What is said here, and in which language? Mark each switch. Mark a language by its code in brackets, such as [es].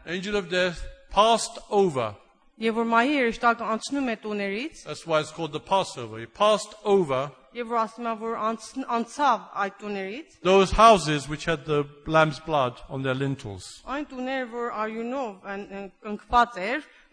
[en] Angel of death passed over. [hy] Եվ որ մահի հրեշտակը անցնում է տուներից. [en] That's why it's called the Passover. He passed over. [hy] Եվ որ ասում են որ անցավ այդ տուներից. [en] Those houses which had the lamb's blood on their lintels. [hy] Այն տուներ որ արյունով կնքված էր.